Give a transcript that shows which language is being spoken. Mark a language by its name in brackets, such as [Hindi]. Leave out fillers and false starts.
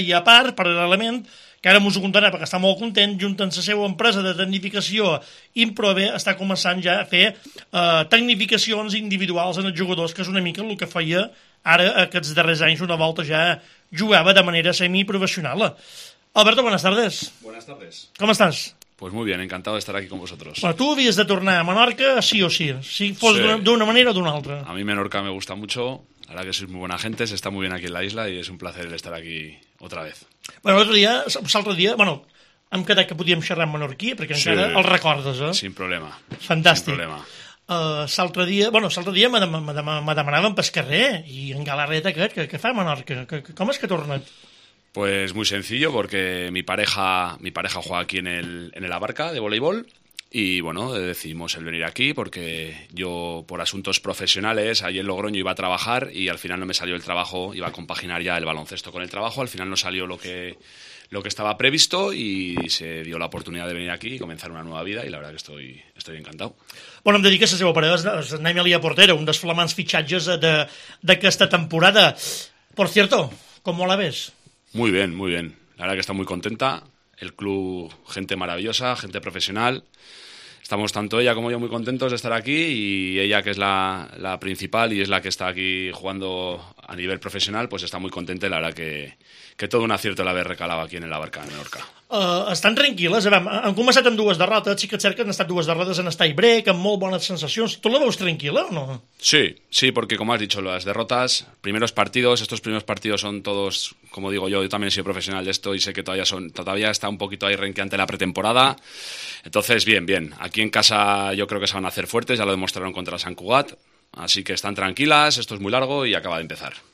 [Catalan] I a part, paral·lelament, que ara m'ho contarà perquè està molt content, junt amb la seva empresa de tecnificació Improve, està començant ja a fer tecnificacions individuals en els jugadors, que és una mica el que feia ara aquests darrers anys, una volta ja jugava de manera semiprofessional. [Spanish] Alberto, buenas tardes. Buenas tardes. [Catalan] Com estàs? [Spanish] Pues muy bien, encantado de estar aquí con vosotros. Bueno, tú habías de tornar a Menorca sí o sí, si fos sí. De una manera o de una otra. A mí Menorca me gusta mucho, la verdad que sois muy buena gente, se está muy bien aquí en la isla y es un placer estar aquí otra vez. [Catalan] Bueno, l'altre dia, bueno, hem quedat que podíem xerrar en menorquí, perquè sí, encara el recordes, eh? [Spanish] Sin problema. [Catalan] Fantàstic. [Spanish] Sin problema. [Catalan] L'altre dia me demanaven pel carrer i en Galarreta aquest, què fa a Menorca? Com és que ha tornat? [Spanish] Pues muy sencillo, porque mi pareja juega aquí en el Abarca de voleibol y bueno, decidimos el venir aquí porque yo por asuntos profesionales ahí en Logroño iba a trabajar y al final no me salió el trabajo, iba a compaginar ya el baloncesto con el trabajo, al final no salió lo que estaba previsto y se dio la oportunidad de venir aquí y comenzar una nueva vida y la verdad que estoy encantado. [Catalan] Bueno, em dediques a la seva parella, és Naimelia Portera, un dels flamants fitxatges d'aquesta temporada. [Spanish] Por cierto, [Catalan] ¿com la ves? [Spanish] Muy bien, muy bien. La verdad que está muy contenta. El club, gente maravillosa, gente profesional. Estamos tanto ella como yo muy contentos de estar aquí y ella, que es la principal y es la que está aquí jugando a nivel profesional, pues está muy contenta. La verdad que todo un acierto el haber recalado aquí en el Abarca, en Menorca. [Catalan] Estan tranquil·les? Han començat amb dues derrotes. Sí que és cert que han estat dues derrotes en estar break, amb molt bones sensacions. ¿Tú la veus tranquil·la o no? [Spanish] Sí, porque como has dicho, las derrotas, primeros partidos, estos primeros partidos son todos, como digo yo también he sido profesional de esto y sé que todavía está un poquito ahí renqueante la pretemporada. Entonces, bien, aquí en casa yo creo que se van a hacer fuertes, ya lo demostraron contra San Cugat, así que están tranquilas, esto es muy largo y acaba de empezar.